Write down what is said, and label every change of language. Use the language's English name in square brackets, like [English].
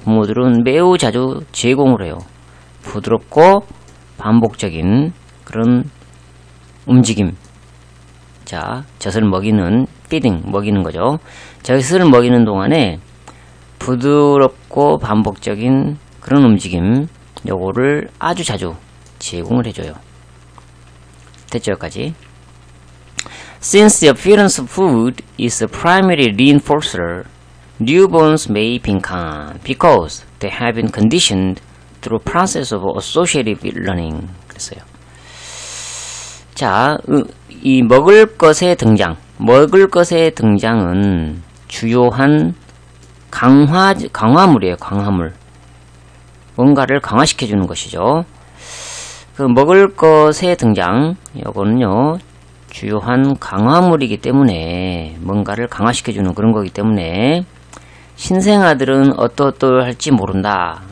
[Korean] 부모들은 매우 자주 제공을 해요. 부드럽고 반복적인 그런 움직임. 자, 젖을 먹이는 feeding. 먹이는 거죠. 젖을 먹이는 동안에 부드럽고 반복적인 그런 움직임, 요거를 아주 자주 제공을 해줘요. 됐죠, 여기까지. [English] Since the appearance of food is a primary reinforcer, newborns may become because they have been conditioned through a process of associative learning. [Korean] 그랬어요. 자, 이 먹을 것의 등장, 먹을 것의 등장은 주요한 강화물이에요, 강화물. 뭔가를 강화시켜주는 것이죠. 그 먹을 것의 등장, 요거는요, 주요한 강화물이기 때문에 뭔가를 강화시켜주는 그런 거기 때문에 신생아들은 어떠어떠할지 모른다.